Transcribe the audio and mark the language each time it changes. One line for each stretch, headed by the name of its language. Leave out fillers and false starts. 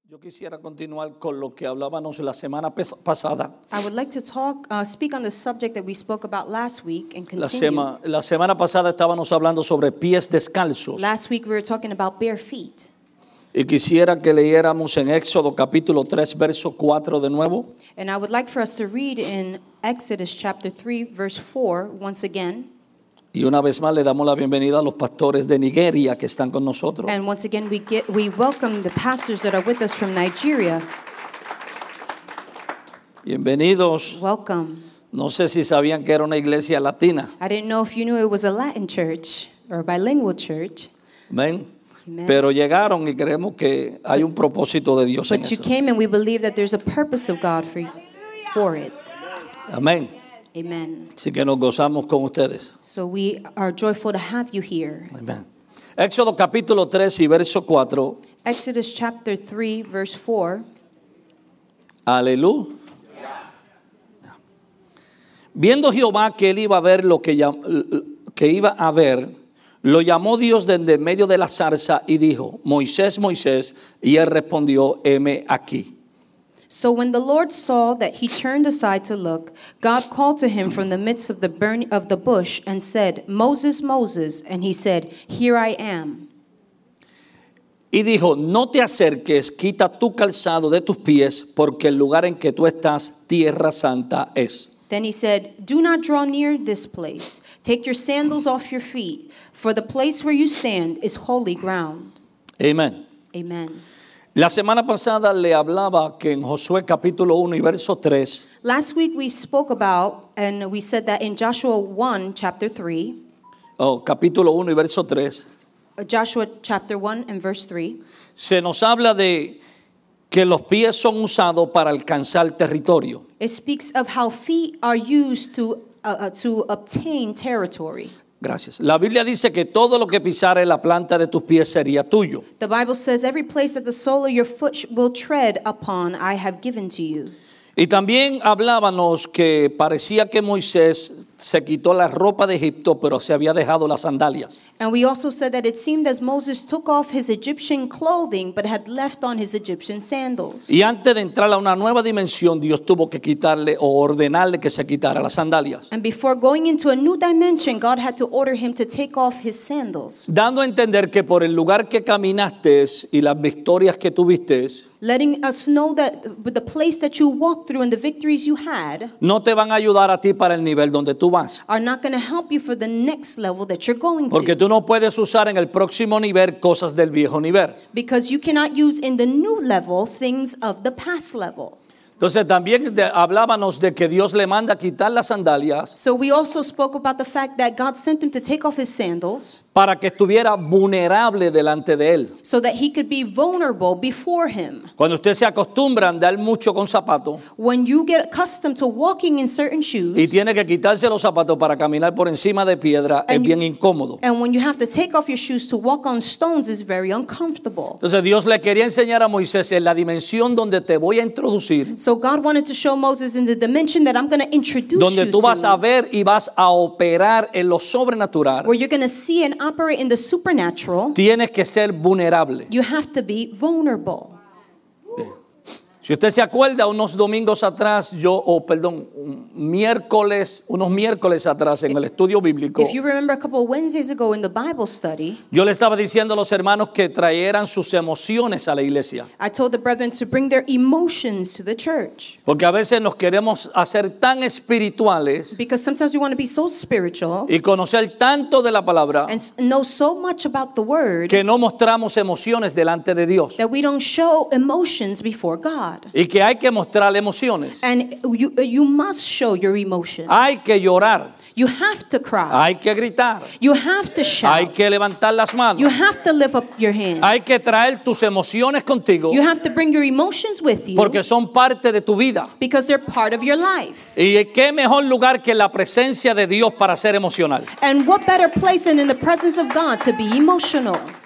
Spanish: Yo quisiera continuar con lo que hablábamos la semana pasada.
English: I would like to speak on the subject that we spoke about last week and continue.
Spanish: La semana pasada estábamos hablando sobre pies descalzos.
English: Last week we were talking about bare feet.
Spanish: Y quisiera que leyéramos en Éxodo capítulo 3 verso 4 de nuevo.
English: And I would like for us to read in Exodus chapter 3 verse 4 once again.
Spanish: Y una vez más le damos la bienvenida a los pastores de Nigeria que están con nosotros.
English: And once again we welcome the pastors that are with us from Nigeria.
Spanish: Bienvenidos.
English: Welcome.
Spanish: No sé si sabían que era una iglesia latina.
English: I didn't know if you knew it was a Latin church or a bilingual church. Amen.
Spanish: Pero llegaron y creemos que hay un propósito de Dios en eso.
English: But you came and we believe that there's a purpose of God for it. Amen. Amen.
Spanish: Así que nos gozamos con ustedes.
English: So we are joyful to have you here.
Spanish: Amen. Éxodo capítulo 3 y verso 4.
English: Exodus chapter 3 verse 4. Aleluya.
Spanish: Viendo Jehová que él iba a ver lo que iba a ver, lo llamó Dios desde medio de la zarza y dijo: Moisés, Moisés. Y él respondió: Heme aquí.
English: So when the Lord saw that he turned aside to look, God called to him from the midst of the bush and said, Moses, Moses, and he said, Here I am.
Spanish: Y dijo, no te acerques, quita tu calzado de tus pies, porque el lugar en que tú estás, tierra santa es.
English: Then he said, Do not draw near this place. Take your sandals off your feet, for the place where you stand is holy ground. Amen. Amen.
Spanish: La semana pasada le hablaba que en Josué capítulo 1 y verso 3.
English: Last week we spoke about and we said that in Joshua 1 chapter 3.
Spanish: Oh, capítulo 1 y verso 3.
English: Joshua chapter 1 and verse 3.
Spanish: Se nos habla de que los pies son usados para alcanzar territorio.
English: It speaks of how feet are used to obtain territory.
Spanish: Gracias. La Biblia dice que todo lo que pisare la planta de tus pies sería tuyo.
English: The Bible says every place that the sole of your foot will tread upon, I have given to you.
Spanish: Y también hablábamos que parecía que Moisés se quitó la ropa de Egipto, pero se había dejado las sandalias.
English: And we also said that it seemed as Moses took off his Egyptian clothing, but had left on his Egyptian sandals.
Spanish: Y antes de entrar a una nueva dimensión, Dios tuvo que quitarle o ordenarle que se quitara las sandalias.
English: And before going into a new dimension, God had to order him to take off his sandals.
Spanish: Dando a entender que por el lugar que caminaste y las victorias que tuviste,
English: letting us know that the place that you walked through and the victories you had,
Spanish: no te van a ayudar a ti para el nivel donde tú vas.
English: Are not going to help you for the next level that you're going
Spanish: porque
English: to.
Spanish: Tú no puedes usar en el próximo nivel cosas del viejo nivel.
English: Because you cannot use in the new level things of the past level.
Spanish: Entonces también hablábamos de que Dios le manda quitar las sandalias.
English: So we also spoke about the fact that God sent him to take off his sandals.
Spanish: Para que estuviera vulnerable delante de él.
English: So that he could be vulnerable before him.
Spanish: Cuando usted se acostumbra a andar mucho con zapatos.
English: When you get accustomed to walking in certain shoes.
Spanish: Y tiene que quitarse los zapatos para caminar por encima de piedra, es bien incómodo.
English: And when you have to take off your shoes to walk on stones is very uncomfortable.
Spanish: Entonces Dios le quería enseñar a Moisés en la dimensión donde te voy a introducir.
English: So God wanted to show Moses in the dimension that I'm going to introduce you to.
Spanish: Donde tú vas a ver y vas a operar en lo sobrenatural.
English: Where you're going to see and operate in the supernatural.
Spanish: Tienes que ser vulnerable.
English: You have to be vulnerable.
Spanish: Si usted se acuerda unos domingos atrás, unos miércoles atrás en el estudio bíblico.
English: If you remember a couple of Wednesdays ago in the Bible study.
Spanish: Yo le estaba diciendo a los hermanos que trajeran sus emociones a la iglesia.
English: I told the brethren to bring their emotions to the church.
Spanish: Porque a veces nos queremos hacer tan espirituales.
English: Because sometimes we want to be so spiritual.
Spanish: Y conocer tanto de la palabra.
English: And know so much about the word.
Spanish: Que no mostramos emociones delante de Dios.
English: That we don't show emotions before God.
Spanish: Y que hay que mostrar emociones.
English: And you must show your emotions.
Spanish: Hay que llorar.
English: You have to cry.
Spanish: Hay que gritar.
English: You have to shout.
Spanish: Hay que levantar las manos.
English: You have to lift up your hands.
Spanish: Hay que traer tus emociones contigo.
English: You have to bring your emotions with you.
Spanish: Porque son parte de tu vida.
English: Because they're part of your life.
Spanish: Y qué mejor lugar que la presencia de Dios para ser emocional.
English: And what better place than in the presence of God to be emotional.